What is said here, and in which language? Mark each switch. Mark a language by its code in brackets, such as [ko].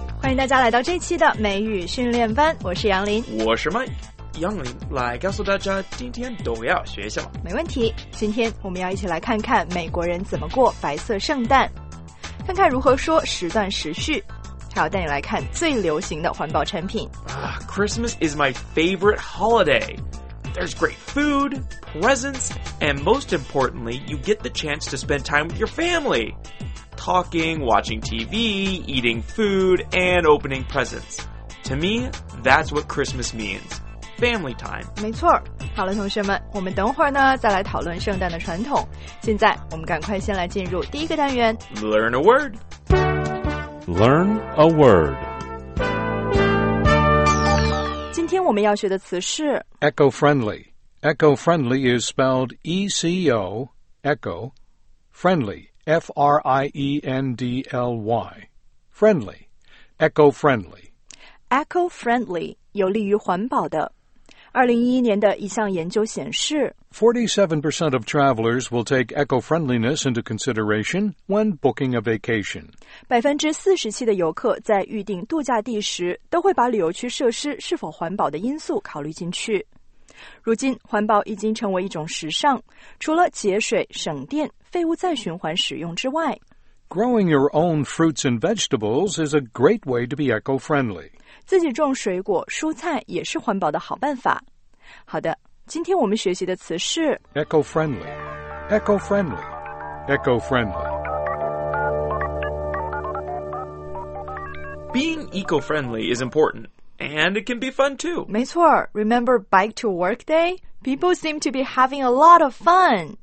[zh] 迎大家来到这期的美语训练班，我是杨林，我是麦杨林，来告诉大家今天都要学什么。没问题，今天我们要一起来看看美国人怎么过白色圣诞，看看如何说时断时续，还要带你来看最流行的环保产品。 [en] Christmas is my favorite holiday. There's great food, presents, and most importantly, you get the chance to spend time with your family. Talking, watching TV, eating food, and opening presents. To me, that's what Christmas means. Family time. [zh] 没错。好了，同学们，我们等会儿呢，再来讨论圣诞的传统。现在，我们赶快先来进入第一个单元。 [en] Learn a word. Learn a word. [zh] 今天我们要学的词是 [en] Eco-friendly. Eco-friendly is spelled E-C-O, Echo, Friendly. F-R-I-E-N-D-L-Y. Friendly. Eco-friendly. [zh] Eco-friendly, 有利于环保的。 2011年的一项研究显示 [en] 47% of travelers will take eco-friendliness into consideration when booking a vacation. [zh] 47%的游客在预订度假地时都会把旅游区设施是否环保的因素考虑进去。如今环保已经成为一种时尚，除了节水、省电、废物再循环使用之外， [en] Growing your own fruits and vegetables is a great way to be eco-friendly. [zh] 自己种水果、蔬菜也是环保的好办法。好的，今天我们学习的词是 [en] Eco-friendly, Eco-friendly, Eco-friendly. Being eco-friendly is important. And it can be fun, too. [zh] 没错 [en] Remember bike to work day? People seem to be having a lot of fun.